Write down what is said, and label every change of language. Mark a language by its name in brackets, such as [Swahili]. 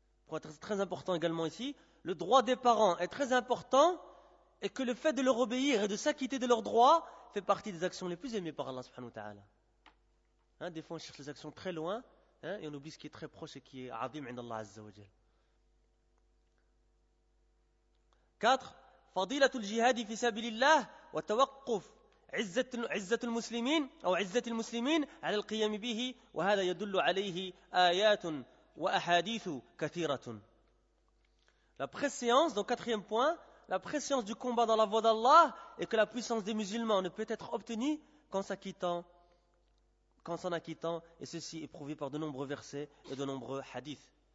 [French] C'est très important également ici, le droit des parents est très important et que le fait de leur obéir et de s'acquitter de leurs droits fait partie des actions les plus aimées par Allah subhanahu wa ta'ala. Des fois on cherche les actions très loin, et on oublie ce qui est très proche et qui est [Arabic] azim inda Allah azza wa jalla. [French] 4. [Arabic] فضيلة الجهاد في سبيل الله وتوقف عزة المسلمين على القيام به وهذا يدل عليه آيات وأحاديث كثيرة. [French] La préscience, donc quatrième point, la préscience du combat dans la voie d'Allah et que la puissance des musulmans ne peut être obtenue qu'en s'en acquittant, et ceci est prouvé par de nombreux versets et de nombreux hadiths.